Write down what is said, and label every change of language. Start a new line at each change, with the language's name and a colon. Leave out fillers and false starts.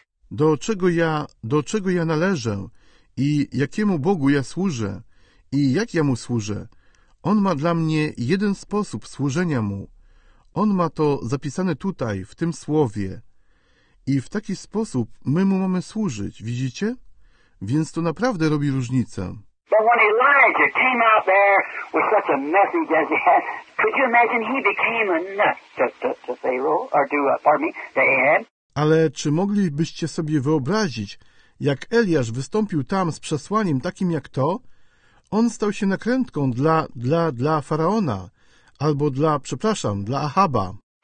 Polish: Do czego ja należę i jakiemu Bogu ja służę i jak ja mu służę, on ma dla mnie jeden sposób służenia mu. On ma to zapisane tutaj, w tym słowie. I w taki sposób my mu mamy służyć, widzicie? Więc to naprawdę robi różnicę.
English: But when Elijah came out there with such a message as he had, could you imagine he became a nut to Pharaoh, or to, pardon me, to Ahab?
Polish: Ale czy moglibyście sobie wyobrazić, jak Eliasz wystąpił tam z przesłaniem takim jak to? On stał się nakrętką dla Faraona, albo dla Ahaba.